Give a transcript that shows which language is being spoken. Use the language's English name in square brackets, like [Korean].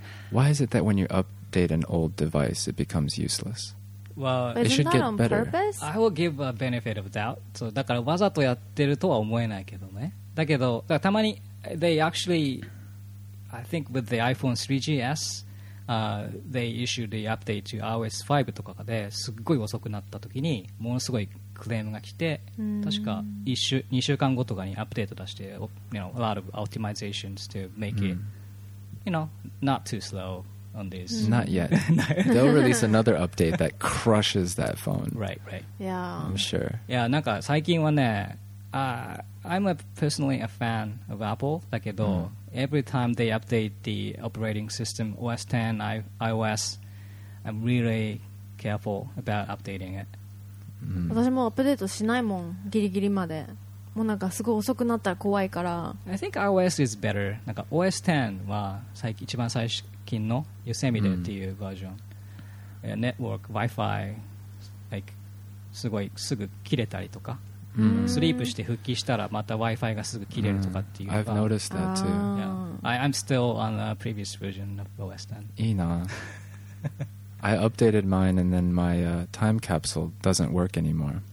[English] Why is it that when you update an old device, it becomes useless? Well, it should get better. Isn't that on purpose? I will give a benefit of doubt. [Japanese] So, だからわざとやってるとは思えないけどね。だけど、だからたまに、 [English] they actually... I think with the iPhone 3GS, they issued the update to iOS 5 [Japanese] とかで、すっごい遅くなったときに、ものすごい、クレームが来て、確か2週間後とかにアップデート出して、 [English] you know, a lot of optimizations to make it, you know, not too slow on this. Not yet. They'll release another update that crushes that phone. Right, right. Yeah. I'm sure. Yeah, [Japanese] なんか最近はね、 [English] I'm personally a fan of Apple, [Japanese] だけど、 [English] every time they update the operating system, OS X, iOS, I'm really careful about updating it. Mm. [Japanese] 私もアップデートしないもんギリギリまでもうなんかすごい遅くなったら怖いから [English] I think iOS is better [Japanese] なんか OS X は最近一番最近の Yosemite っていうバージョン、mm. Network, Wi-Fi like, すごいすぐ切れたりとか、mm. スリープして復帰したらまた Wi-Fi がすぐ切れるとかっていう、 [English] mm. I've noticed that too、 yeah. I'm still on the previous version of OS X [Japanese] いいな [English] I updated mine and then my time capsule doesn't work anymore.